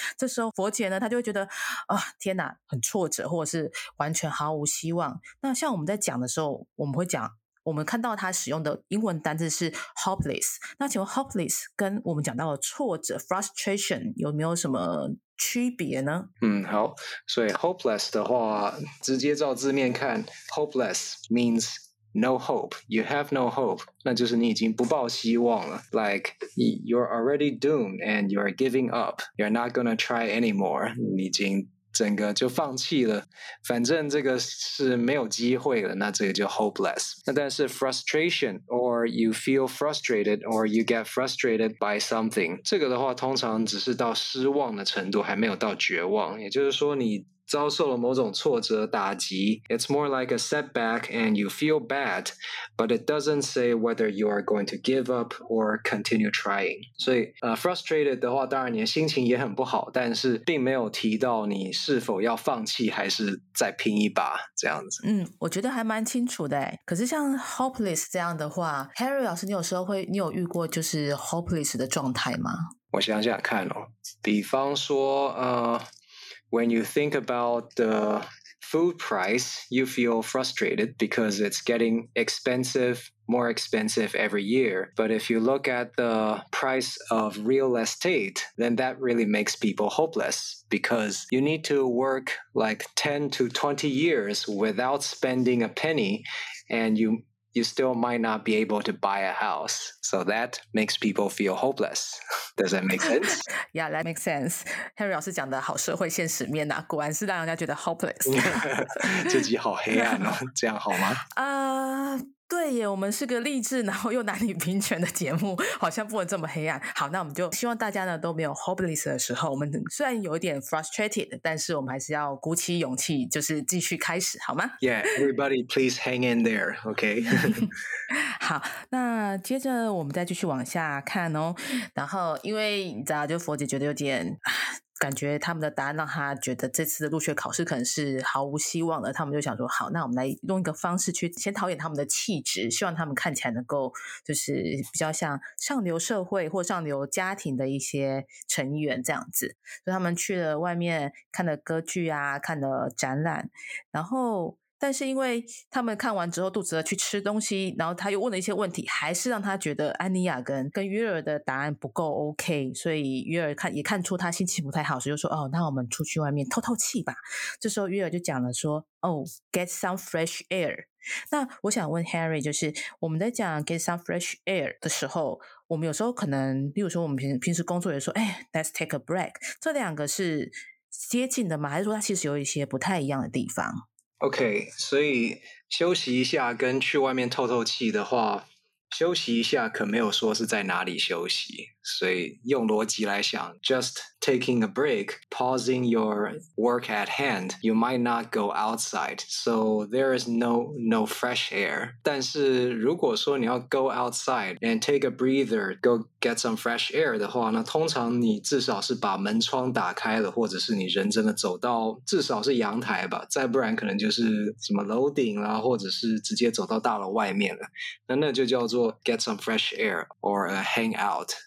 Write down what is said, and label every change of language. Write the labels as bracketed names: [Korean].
[Chinese] 这时候佛姐呢他就会觉得天哪，很挫折，或者是完全毫无希望。那像我们在讲的时候，我们会讲我们看到他使用的英文单字是 hopeless， 那请问 hopeless 跟我们讲到的挫折 frustration 有没有什么区别呢？好，所以 hopeless 的话直接照字面看， [English] hopeless means no hope， you have no hope， [Chinese] 那就是你已经不抱希望了， [English] like you're already doomed and you're giving up， you're not gonna try anymore， [Chinese] 你已经整个就放弃了，反正这个是没有机会了，那这个就 hopeless。那但是 frustration [English] or you feel frustrated or you get frustrated by something， [Chinese] 这个的话通常只是到失望的程度，还没有到绝望，也就是说你遭受了某种挫折打击。 [English] It's more like a setback and you feel bad， but it doesn't say whether you are going to give up or continue trying。 [Chinese] 所以frustrated 的话当然你的心情也很不好，但是并没有提到你是否要放弃还是再拼一把这样子。我觉得还蛮清楚的。可是像 hopeless 这样的话， Harry 老师，你有时候会你有遇过就是 hopeless 的状态吗？我想想看哦，比方说 [English] When you think about the food price, you feel frustrated because it's getting expensive, more expensive every year. But if you look at the price of real estate, then that really makes people hopeless because you need to work like 10 to 20 years without spending a penny, and you you still might not be able to buy a house. So that makes people feel hopeless. Does that make sense? Yeah, that makes sense. [Chinese] Henry 老师讲的好社会现实面啊，果然是让人家觉得 hopeless。自己好黑暗哦，这样好吗？对耶，我们是个励志然后又男女平权的节目，好像不能这么黑暗。好，那我们就希望大家呢都没有 hopeless 的时候，我们虽然有点 frustrated， 但是我们还是要鼓起勇气就是继续开始好吗？ [English] Yeah, everybody please hang in there, okay? [Chinese] 好，那接着我们再继续往下看哦。然后因为你知道就佛姐觉得有点感觉他们的答案让他觉得这次的入学考试可能是毫无希望的，他们就想说好，那我们来用一个方式去先陶冶他们的气质，希望他们看起来能够就是比较像上流社会或上流家庭的一些成员这样子。所以他们去了外面看了歌剧啊，看了展览，然后但是因为他们看完之后肚子饿去吃东西，然后他又问了一些问题，还是让他觉得安妮亚跟约尔的答案不够 OK， 所以约尔也看出他心情不太好，所以就说哦，那我们出去外面透透气吧。这时候约尔就讲了说 [English] Oh, get some fresh air。 [Chinese] 那我想问 Harry， 就是我们在讲 get some fresh air 的时候，我们有时候可能例如说我们平时工作也说哎， [English] let's take a break， [Chinese] 这两个是接近的吗？还是说他其实有一些不太一样的地方？ [English] OK， [Chinese] 所以休息一下跟去外面透透气的话，休息一下可没有说是在哪里休息，所以用逻辑来想 [English] just taking a break, pausing your work at hand, you might not go outside, so there is no fresh air. [Chinese] 但是如果说你要 [English] go outside and take a breather, go get some fresh air [Chinese] 的话，那通常你至少是把门窗打开了，或者是你人真的走到至少是阳台吧，再不然可能就是什么楼顶啦，或者是直接走到大楼外面了，那就叫做 [English] get some fresh air or a hangout。